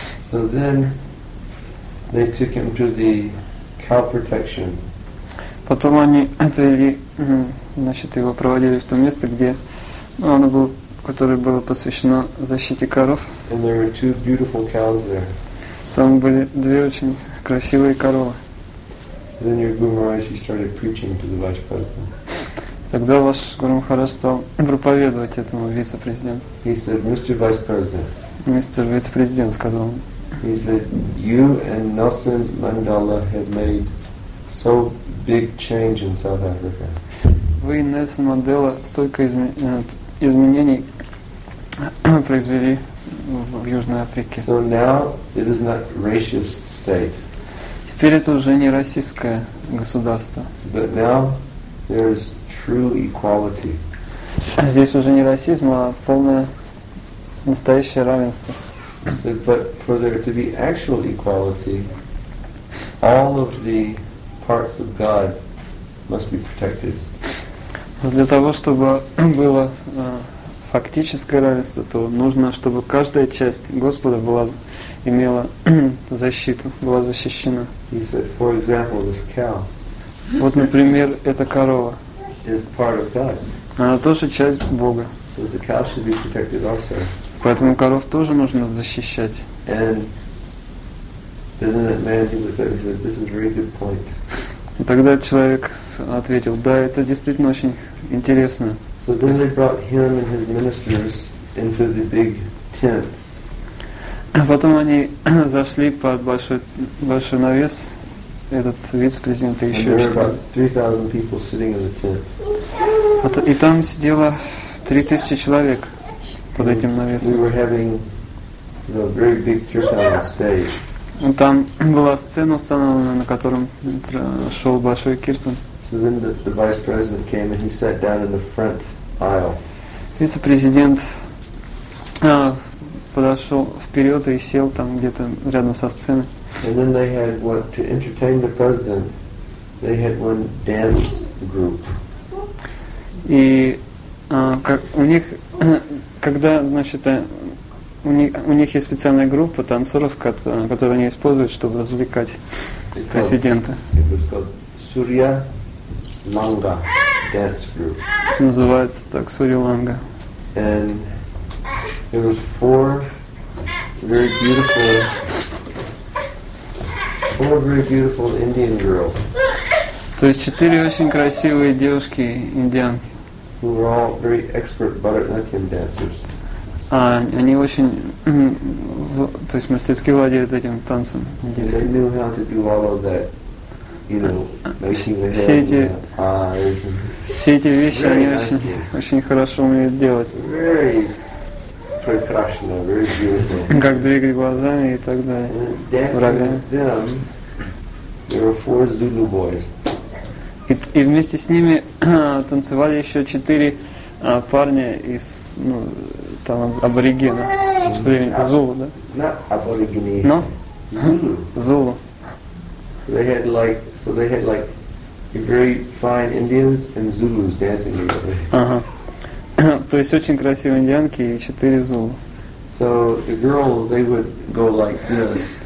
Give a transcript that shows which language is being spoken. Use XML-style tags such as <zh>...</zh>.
<en>So then they took him to the cow protection.</en> <ru>Потом они отвели, значит, его проводили в то место, где оно было, которое было посвящено защите коров.</ru> <en>And there were 2 beautiful cows there.</en> <ru>Там были 2 очень красивые коровы.</ru> <en>Then your Guru Maharaj started preaching to the vice president.</en> <ru>Тогда ваш Гуру Махарадж стал проповедовать этому вице-президенту.</ru> <en>He said, Mr. Vice President.</en> <ru>Мистер вице-президент сказал.</ru> <en>He said, you and Nelson Mandela have made so big change in South Africa.</en> <ru>Вы и Нельсон Мандела столько изменений произвели в Южной Африке.</ru> <en>So now it is not racist state.</en> <ru>Теперь это уже не российское государство.</ru> <en>But now there is true equality.</en> <ru>Здесь уже не расизм, а полное настоящее равенство.</ru> <en>So, but for there to be actual equality, all of the parts of God must be protected.</en> <ru>Для того, чтобы было фактическое равенство, то нужно, чтобы каждая часть Господа была имела защиту, была защищена.</ru> <en>He said, for example, this cow.</en> <ru>Вот, например, эта корова.</ru> <en>Is part of God.</en> <ru>Она тоже часть Бога.</ru> <en>So the cow should be protected also.</en> <ru>Поэтому коров тоже нужно защищать.</ru> <en>And then that man, he looked at me and said, this is a very good point.</en> <ru>И тогда человек ответил, да, это действительно очень интересно.</ru> <en>So then they brought him and his ministers into the big tent.</en> <ru>Потом они зашли под большой навес, этот вице-президент и еще что-то.</ru> <en>And there were about 3,000 people sitting in the tent.</en> <ru>И там сидело 3,000 человек под этим навесом.</ru> <en>We were having a very big turnout on stage.</en> <ru>Там была сцена установлена, на котором шел большой киртан.</ru> <en>So then the vice president came and he sat down in the front aisle.</en> <ru>Вице-президент подошел вперед и сел там где-то рядом со сценой.</ru> <en>And then they had what to entertain the president. They had one dance group.</en> <ru>И как у них, когда, значит, у них есть специальная группа танцоров, которую они используют, чтобы развлекать президента.</ru> <en>It was called Surya Langa Dance Group.</en> <ru>Называется так, Surya Langa.</ru> <en>And there was 4 very beautiful, 4 very beautiful Indian girls.</en> <ru>То есть 4 очень красивые девушки индианки.</ru> <en>Who were all very expert Bharatanatyam dancers.</en> <ru>Они очень, то есть мастерски владеют этим танцем.</ru> <en>They knew how to do all of that, you know, making the</en> <ru>все</ru> <en>heads</en> <ru>эти,</ru> <en>and the eyes. And</en> <ru>все эти вещи они очень хорошо умеют делать.</ru> <en>Very</en> <ru>прекрасно,</ru> <en>very beautiful.</en> <ru>Как двигать глазами и так далее.</ru> <en>And dancing with them, there were 4 Zulu boys.</en> <ru>И вместе с ними танцевали еще 4 парня из, ну, там, аборигена, Зулу, да?</ru> <en>Not</en> <ru>аборигене.</ru> <en>No? Zulu. They had like, so they had like very fine Indians and Zulus dancing together.</en> <ru>Ага. То есть очень красивые индианки и 4 Зулу.</ru> <en>So the girls, they would go like this.</en>